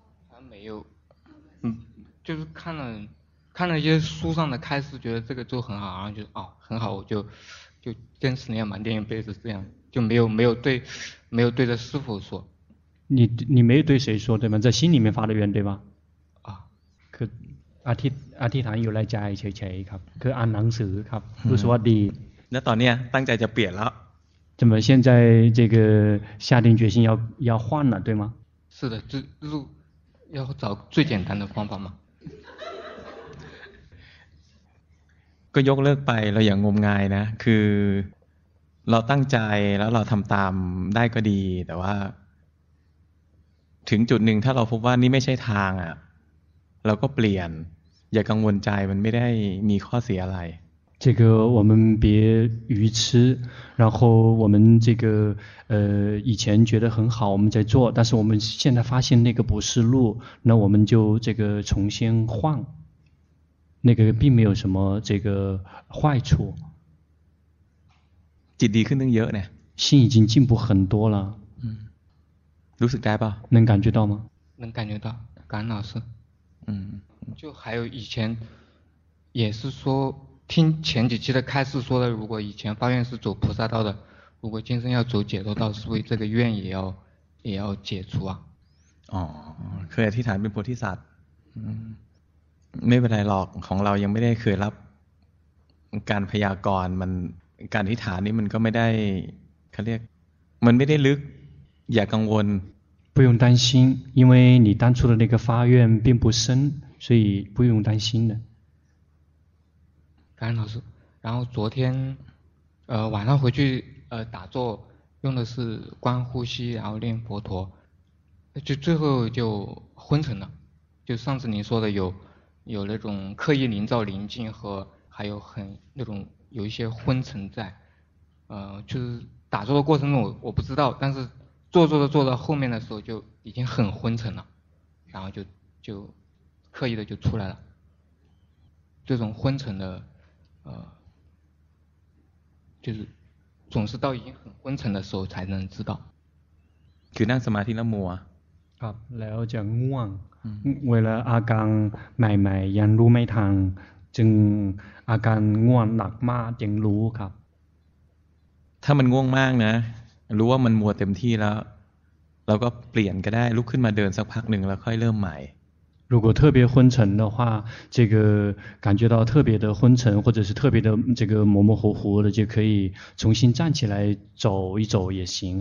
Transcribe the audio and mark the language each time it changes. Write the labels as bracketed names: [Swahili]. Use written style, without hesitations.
[Chinese] 他没有就是看了一些书上的开示觉得这个就很好然后就哦很好我就坚持那样满念一辈子这样就没有对着师父说你没有对谁说对吗在心里面发的愿对吧 [Thai] อธิษฐานอยู่ในใจเฉยๆครับคืออ่านหนังสือครับรู้สึกว่าดี แล้วตอนนี้ตั้งใจจะเปลี่ยนแล้ว [Chinese] 怎么现在这个下定决心要换了对吗是的就要找最简单的方法嘛 [Thai] ก็ยกเลิกไปเราอย่างงมงายนะคือเราตั้งใจแล้วเราทำตามได้ก็ดีแต่ว่าถึงจุดหนึ่งถ้าเราพบว่านี่ไม่ใช่ทางอ่ะเราก็เปลี่ยนอย่ากังวลใจมันไม่ได้มีข้อเสียอะไร [Chinese] 这个我们别愚痴然后我们这个以前觉得很好我们在做但是我们现在发现那个不是路那我们就这个重新换那个并没有什么这个坏处 [Thai] จิตดีขึ้นตั้งเยอะเนี่ย [Chinese] 心已经进步很多了 [Thai] รู้สึกได้ป่ะ [Chinese] 能感觉到吗能感觉到感恩老师嗯就还有以前也是说听前几期的开示说的如果以前发愿是走菩萨道的如果今生要走解脱道是不是这个愿也要解除啊哦可以 [Thai] อธิษฐานเป็นโพธิสัตว์ไม่เป็นไรหรอกของเรายังไม่ได้เคยรับการพยากรณ์มันการอธิษฐานนี้มันก็ไม่ได้เขาเรียกมันไม่ได้ลึกอย่ากังวล [Chinese] 不用担心因为你当初的那个发愿并不深所以不用担心的感恩老师然后昨天晚上回去打坐用的是观呼吸然后念佛陀就最后就昏沉了就上次您说的有那种刻意营造宁静和还有很那种有一些昏沉在就是打坐的过程中我不知道但是坐到后面的时候就已经很昏沉了然后就刻意的就出来了这种昏沉的就是总是到已经很昏沉的时候才能知道 [Thai] คือนั่งสมาธิแล้วมัว ครับแล้วจะง่วงเวลาอาการใหม่ๆยังรู้ไม่ทันจึงอาการง่วงหนักมากจึงรู้ครับ ถ้ามันง่วงมากนะรู้ว่ามันมัวเต็มที่แล้วเราก็เปลี่ยนก็ได้ลุกขึ้นมาเดินสักพักหนึ่งแล้วค่อยเริ่มใหม่ [Chinese] 如果特别昏沉的话这个感觉到特别的昏沉或者是特别的这个模模糊糊的就可以重新站起来走一走也行